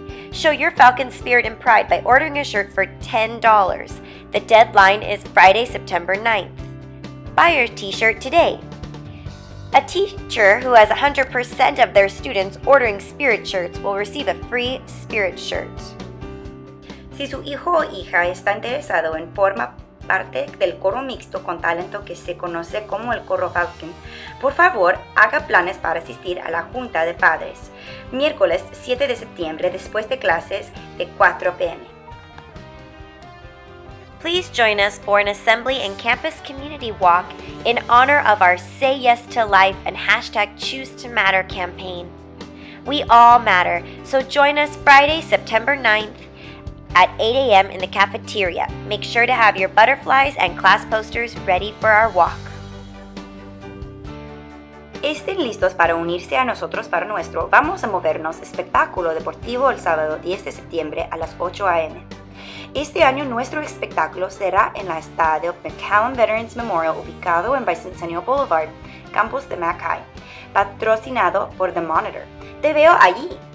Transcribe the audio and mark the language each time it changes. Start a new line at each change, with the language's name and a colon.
English: Show your Falcon spirit and pride by ordering a shirt for $10. The deadline is Friday, September 9th. Buy your t-shirt today. A teacher who has 100% of their students ordering spirit shirts will receive a free spirit shirt.
Spanish: Si su hijo o hija está interesado en formar parte del coro mixto con talento que se conoce como el coro Falcon, por favor haga planes para asistir a la junta de padres, miércoles 7 de septiembre después de clases de 4 p.m.
English: Please join us for an assembly and campus community walk in honor of our Say Yes to Life and hashtag Choose to Matter campaign. We all matter, so join us Friday, September 9th at 8 a.m. in the cafeteria. Make sure to have your butterflies and class posters ready for our walk.
Spanish: Estén listos para unirse a nosotros para nuestro Vamos a Movernos espectáculo deportivo el sábado 10 de septiembre a las 8 a.m. Este año nuestro espectáculo será en la estadio McAllen Veterans Memorial ubicado en Bicentennial Boulevard, campus de Mackay, patrocinado por The Monitor. ¡Te veo allí!